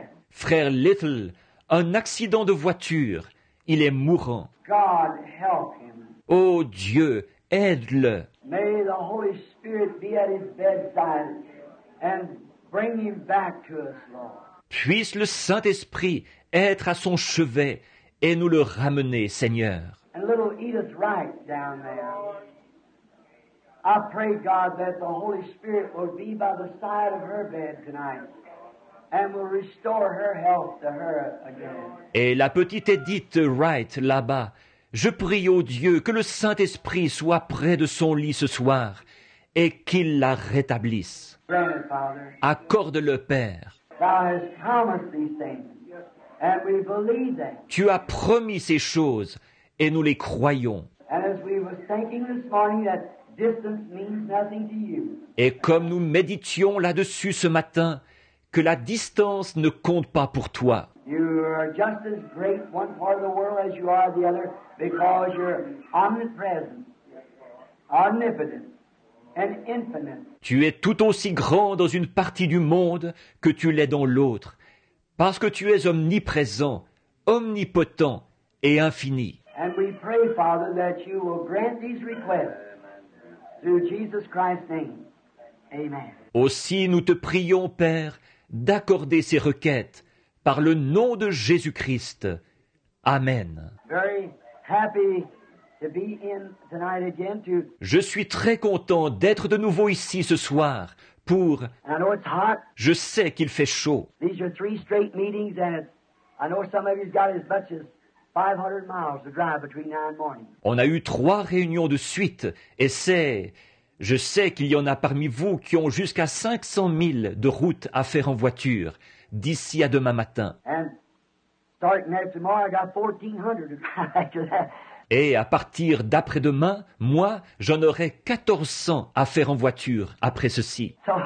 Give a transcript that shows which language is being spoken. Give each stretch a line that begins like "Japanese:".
French: Frère Little, un accident de voiture, il est mourant.
English: God help him.
French: Oh Dieu, aide-le.
English: May the Holy Spirit be at his bedside and bring him back to us, Lord.
French: Puisse le Saint-Esprit être à son chevet et nous le ramener, Seigneur.
English: And little Edith Wright down there. I pray, God, that the Holy Spirit will be by the side of her bed tonight and will restore her health to her again.
French: Et la petite Edith Wright là-bas, je prie au Dieu que le Saint-Esprit soit près de son lit ce soir et qu'il la rétablisse. Accorde-le, Père.
English: Thou hast promised these things, and we believe that.
French: Tu as promis ces choses, et nous les croyons.
English: And as we were thinking this morning that distance means nothing to you.
French: Et comme nous méditions là-dessus ce matin, que la distance ne compte pas pour toi.
English: You are just as great one part of the world as you are the other, because you're omnipresent, omnipotent, and infinite.
French: Tu es tout aussi grand dans une partie du monde que tu l'es dans l'autre, parce que tu es omniprésent, omnipotent et infini.
English: And we pray, Father, that you will grant these requests through Jesus Christ's name. Amen.
French: Aussi, nous te prions, Père, d'accorder ces requêtes par le nom de Jésus-Christ. Amen.
English: Very happy. To be in tonight again to...
French: Je suis très content d'être de nouveau ici ce soir pour...
English: And I know it's hot.
French: Je sais qu'il fait chaud.
English: These are three straight meetings and I know some of you've got as much as 500 miles to drive between now and morning.
French: On a eu trois réunions de suite et c'est... Je sais qu'il y en a parmi vous qui ont jusqu'à 500 milles de route à faire en voiture d'ici à demain matin.
English: And starting at tomorrow, I got 1400 to drive after that.
French: Et à partir d'après-demain, moi, j'en aurai 1400 à faire en voiture après ceci.